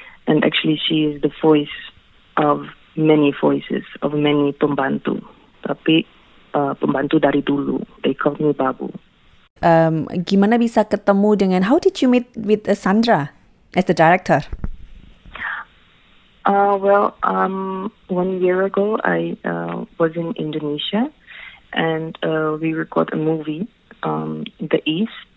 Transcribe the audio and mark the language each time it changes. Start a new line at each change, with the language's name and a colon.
English: And actually, she is the voice of many voices, of many pembantu.
Indonesian: Tapi pembantu dari dulu.
English: They call me Babu.
Indonesian: Gimana bisa ketemu dengan,
English: how did you meet with Sandra as the director? Well, 1 year ago, I was in Indonesia and we record a movie, The East.